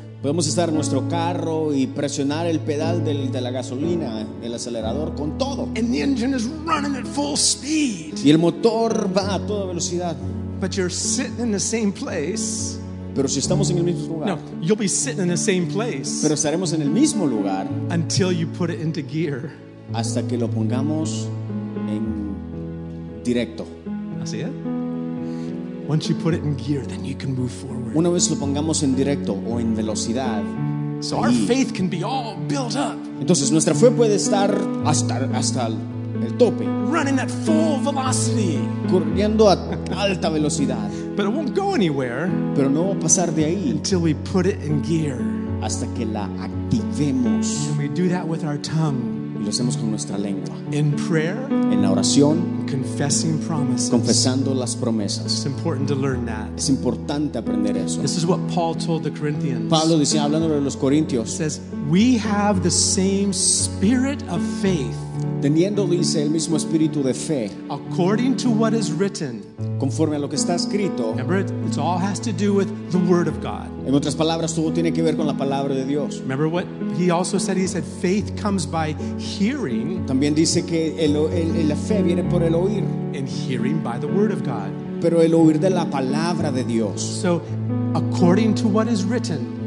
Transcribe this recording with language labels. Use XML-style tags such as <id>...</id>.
<es>Podemos estar en nuestro carro y presionar el pedal de la gasolina, el acelerador, con todo.</es> <en>And the engine is running at full speed.</en> <es>Y el motor va a toda velocidad.</es> <en>But you're sitting in the same place.</en> <es>Pero si estamos en el mismo lugar.</es> <en>No, you'll be sitting in the same place.</en> <es>Pero estaremos en el mismo lugar.</es> <en>Until you put it into gear.</en> <es>Hasta que lo pongamos en directo. Así es.</es> <en>Once you put it in gear, then you can move forward.</en> <es>Una vez lo pongamos en directo o en velocidad,</es> <en>so our faith can be all built up.</en> <es>Entonces nuestra fe puede estar hasta el tope.</es> <en>Running at full velocity.</en> <es>Corriendo a alta velocidad.</es> <en>But it won't go anywhere.</en> <es>Pero no va a pasar de ahí.</es> <en>Until we put it in gear.</en> <es>Hasta que la activemos.</es> <en>And we do that with our tongue.</en> <es>Y lo hacemos con nuestra lengua.</es> <en>In prayer,</en> <es>en la oración,</es> <en>confessing promises,</en> <es>confesando las promesas.</es> <en>It's important to learn that.</en> <es>Es importante aprender eso.</es> <en>This is what Paul told the Corinthians.</en> <es>Pablo decía, hablando de los corintios,</es> <en>says we have the same spirit of faith.</en> <es>Teniendo, dice, el mismo espíritu de fe.</es> <en>According to what is written.</en> <es>Conforme a lo que está escrito.</es> <en>Remember, it all has to do with the word of God.</en> <es>En otras palabras, todo tiene que ver con la palabra de Dios.</es> <en>Remember what he also said? He said faith comes by hearing.</en> <es>También dice que la fe viene por el oír.</es> <en>And hearing by the word of God.</en> <es>Pero el oír de la palabra de Dios.</es> <en>So, according to what is written.</en>